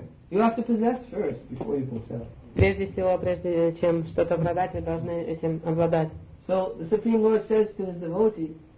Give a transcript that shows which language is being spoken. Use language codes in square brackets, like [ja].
[en] You have to possess first before you can sell. [ru] Прежде всего, прежде чем что-то продать, вы должны этим обладать. [en] So the Supreme Lord says to his devotee.